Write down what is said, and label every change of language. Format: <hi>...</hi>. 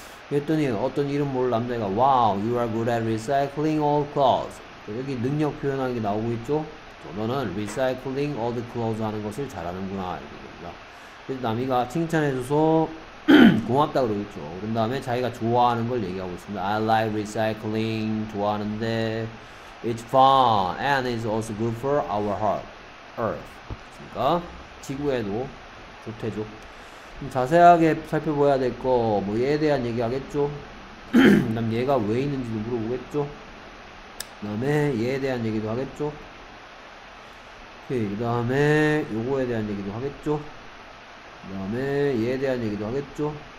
<ko>그랬더니 어떤 이름 모를 남자가</ko> <en>Wow, you are good at recycling old clothes.</en> <ko>여기 능력 표현하는 게 나오고 있죠. 너는</ko> <en>recycling old clothes</en> <ko>하는 것을 잘하는구나 이런 겁니다. 그래서 남이가 칭찬해줘서 고맙다 그러겠죠. 그런 다음에 자기가 좋아하는 걸 얘기하고 있습니다.</ko> <en>I like recycling.</en> <ko>좋아하는데</ko> <en>It's fun and it's also good for our heart, earth.</en> <ko>그러니까 지구에도 좋대죠. 좀 자세하게 살펴봐야 될 거 뭐 얘에 대한 얘기하겠죠. 그 다음 얘가 왜 있는지도 물어보겠죠. 그 다음에 얘에 대한 얘기도 하겠죠. 그 다음에 요거에 대한 얘기도 하겠죠. 그 다음에 얘에 대한 얘기도 하겠죠.</ko>